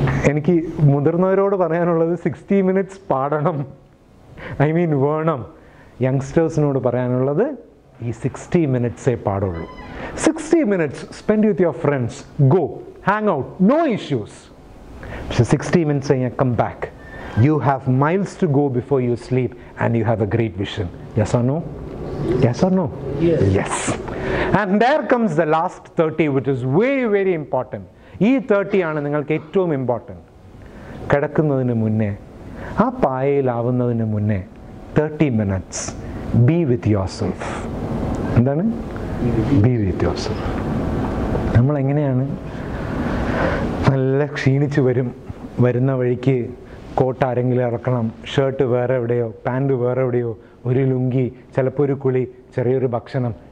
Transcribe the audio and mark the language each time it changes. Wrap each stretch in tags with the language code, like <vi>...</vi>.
<ml>എനിക്ക് മുതിർന്നവരോട് പറയാനുള്ളത് 60 മിനിറ്റ്സ് പാടണം,</ml> <en>I mean</en> <ml>വേണം. യങ്സ്റ്റേഴ്സിനോട് പറയാനുള്ളത് ഈ 60 മിനിറ്റ്സേ പാടുള്ളൂ.</ml> <en>60 minutes spend with your friends, go hang out, no issues. പക്ഷേ 60 minutes I come back. You have miles to go before you sleep and you have a great vision. Yes or no? Yes or no? Yes. Yes. And there comes the last 30, which is very, very important.</en> <ml>ഈ 30 ആണ് നിങ്ങൾക്ക് ഏറ്റവും important. കിടക്കുന്നതിന് മുന്നേ, ആ പായയിലാവുന്നതിന് മുന്നേ 30 minutes</ml> <en>Be with yourself.</en> <ml>എന്താണ്</ml> <en>Be with yourself?</en> <ml>നമ്മളെങ്ങനെയാണ്, നല്ല ക്ഷീണിച്ച് വരും, വരുന്ന വഴിക്ക് കോട്ട് ആരെങ്കിലും ഇറക്കണം, ഷർട്ട് വേറെ എവിടെയോ, പാൻറ് വേറെ എവിടെയോ, ഒരു ലുങ്കി, ചിലപ്പോൾ ഒരു കുളി, ചെറിയൊരു ഭക്ഷണം.</ml>